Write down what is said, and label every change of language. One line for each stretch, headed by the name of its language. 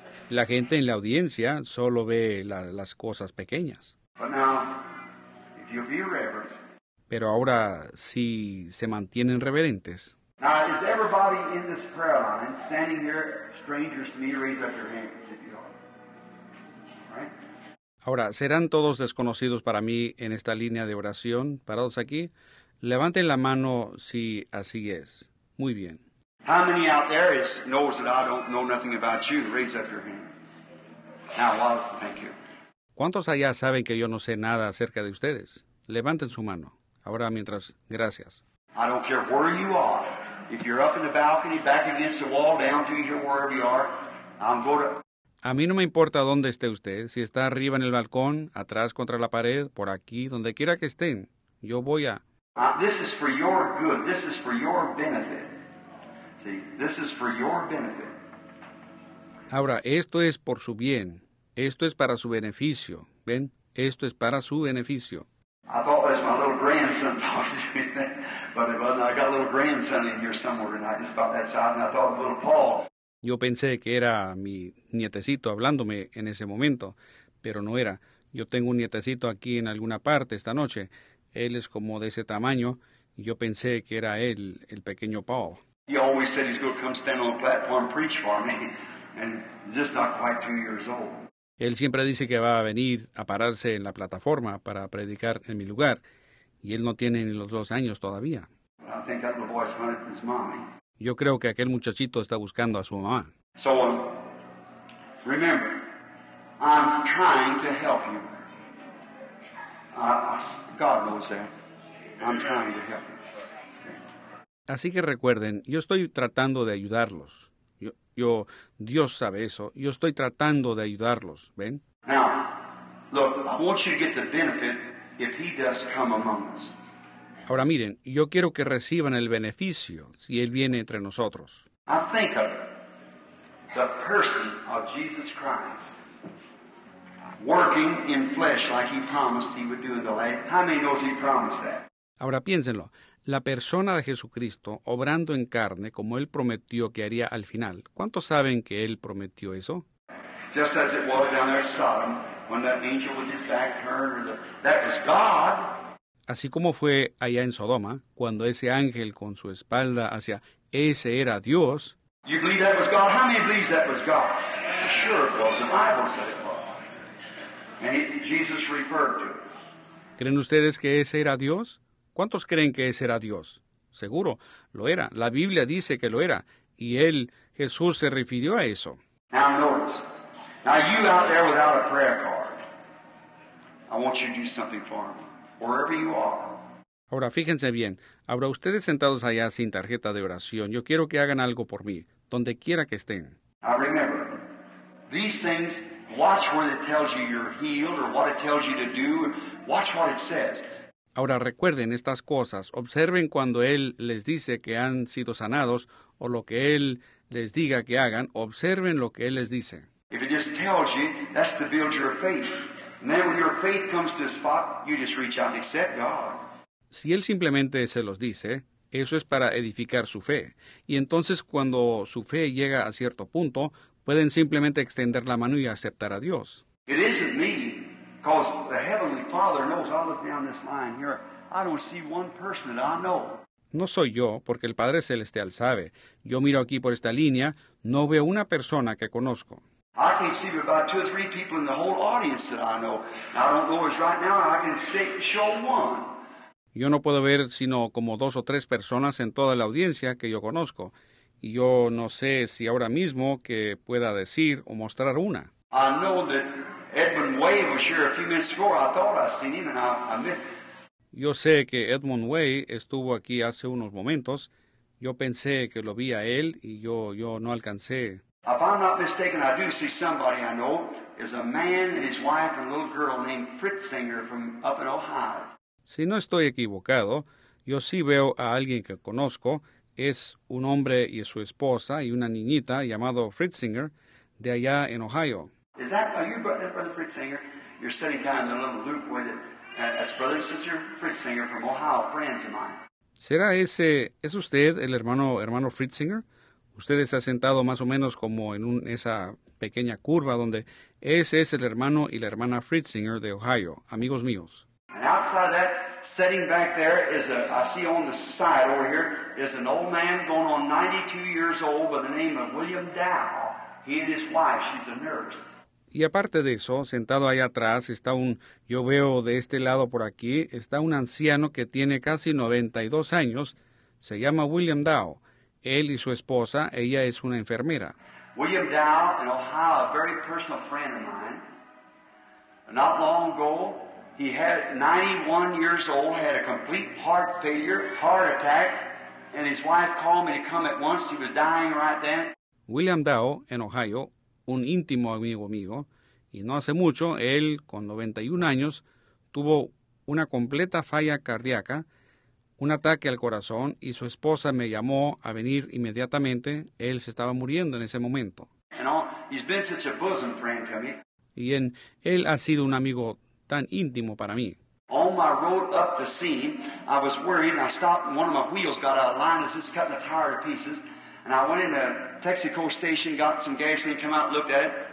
Spanish: La gente en la audiencia solo ve las cosas pequeñas.
English: But now, if you be reverent,
Spanish: pero ahora, si se mantienen reverentes.
English: Now, is everybody in this prayer line standing here, strangers to me, raise up your hands if you are.
Spanish: Ahora, ¿serán todos desconocidos para mí en esta línea de oración, parados aquí? Levanten la mano si así es. Muy bien.
English: How many out there is, knows that I don't know nothing about you? Raise up your hand. Now, well, thank you.
Spanish: ¿Cuántos allá saben que yo no sé nada acerca de ustedes? Levanten su mano. Ahora, mientras, gracias.
English: I don't care where you are. If you're up in the balcony, back against the wall, down to here, wherever you are, I'm going to...
Spanish: A mí no me importa dónde esté usted, si está arriba en el balcón, atrás contra la pared, por aquí, donde quiera que estén, yo voy a...
English: This is for your good, this is for your benefit. See, this is for your benefit.
Spanish: Ahora, esto es por su bien, esto es para su beneficio, ¿ven? Esto es para su beneficio.
English: I thought that was my little grandson talking to me, but it wasn't. I got a little grandson in here somewhere tonight, just about that side, and I thought of little Paul.
Spanish: Yo pensé que era mi nietecito hablándome en ese momento, pero no era. Yo tengo un nietecito aquí en alguna parte esta noche. Él es como de ese tamaño. Yo pensé que era él, el pequeño Paul.
English: He always said he's going to come stand on the platform, preach for me, and just not quite 2 years old.
Spanish: Él siempre dice que va a venir a pararse en la plataforma para predicar en mi lugar, y él no tiene ni los 2 años todavía.
English: I think that little boy's hunting his mommy.
Spanish: Yo creo que aquel muchachito está buscando a su mamá.
English: So, remember, I'm trying to help you. God knows that. I'm trying to help you.
Spanish: Así que recuerden, yo estoy tratando de ayudarlos. Dios sabe eso. Yo estoy tratando de ayudarlos, ¿ven?
English: Now, look, I want you to get the benefit if he does come among us.
Spanish: Ahora miren, yo quiero que reciban el beneficio si Él viene entre nosotros.
English: I think of the person of Jesus Christ working in flesh like He promised He would do in the land. How many knows He promised that?
Spanish: Ahora piénsenlo, la persona de Jesucristo obrando en carne como Él prometió que haría al final. ¿Cuántos saben que Él prometió eso?
English: Just as it was down there at Sodom, when that angel with his back turned, that was God.
Spanish: Así como fue allá en Sodoma, cuando ese ángel con su espalda hacia ese era Dios.
English: You believe that was God? How many believes that was God? I'm sure it was. The Bible said it was. And Jesus referred to it.
Spanish: ¿Creen ustedes que ese era Dios? ¿Cuántos creen que ese era Dios? Seguro, lo era. La Biblia dice que lo era. Y él, Jesús, se refirió a eso.
English: Now notice. Now you out there without a prayer card, I want you to do something for me. Wherever you are.
Spanish: Ahora, fíjense bien. Ahora, ustedes sentados allá sin tarjeta de oración, yo quiero que hagan algo por mí, donde quiera que estén.
English: Now remember, these things, watch where it tells you you're healed or what it tells you to do. Watch what it says.
Spanish: Ahora, recuerden estas cosas. Observen cuando Él les dice que han sido sanados o lo que Él les diga que hagan. Observen lo que Él les dice.
English: If it just tells you, that's to build your faith. And then when your faith comes to a spot, you just reach out and accept God.
Spanish: Si él simplemente se los dice, eso es para edificar su fe. Y entonces cuando su fe llega a cierto punto, pueden simplemente extender la mano y aceptar a Dios.
English: It isn't me, because the Heavenly Father knows all of down this line here. I don't see one person that I know.
Spanish: No soy yo, porque el Padre Celestial sabe. Yo miro aquí por esta línea, no veo una persona que conozco.
English: I can see about two or three people in the whole audience that I know. I don't know as right now, I can show one.
Spanish: Yo no puedo ver sino como dos o tres personas en toda la audiencia que yo conozco. Y yo no sé si ahora mismo que pueda decir o mostrar una.
English: I know that Edmund Way was here a few minutes ago. I thought I seen him and I missed him.
Spanish: Yo sé que Edmund Way estuvo aquí hace unos momentos. Yo pensé que lo vi a él y yo no alcancé.
English: If I'm not mistaken, I do see somebody I know is a man and his wife and a little girl named Fritzinger from up in Ohio.
Spanish: Si no estoy equivocado, yo sí veo a alguien que conozco. Es un hombre y su esposa y una niñita llamado Fritzinger de allá en Ohio.
English: Is that, are you brother Fritzinger? You're sitting down in the little loop with it. That's brother and sister Fritzinger from Ohio, friends of mine.
Spanish: ¿Será ese, es usted el hermano Fritzinger? Usted está sentado más o menos como en esa pequeña curva donde ese es el hermano y la hermana Fritzinger de Ohio, amigos míos.
English: And outside of that, sitting back there is I see on the side over here is an old man going on 92 years old by the name of William Dow. He and his wife, she's a nurse.
Spanish: Y aparte de eso, sentado allá atrás está yo veo de este lado por aquí, está un anciano que tiene casi 92 años, se llama William Dow. Él y su esposa, ella es una enfermera.
English: William Dow in Ohio, a very personal friend of mine. Not long ago, he had 91 years old, had a complete heart failure, heart attack, and his wife called me to come at once. He was dying right then.
Spanish: William Dow en Ohio, un íntimo amigo mío, y no hace mucho, él con 91 años, tuvo una completa falla cardíaca, un ataque al corazón, y su esposa me llamó a venir inmediatamente. Él se estaba muriendo en ese momento.
English: He's been such a bosom friend to me.
Spanish: Y él ha sido un amigo tan íntimo para mí.
English: On my road up the scene, I was worried, and I stopped, and one of my wheels got out of line, and it's cutting the tire to pieces. And I went in the Texaco station, got some gasoline, came out and looked at it.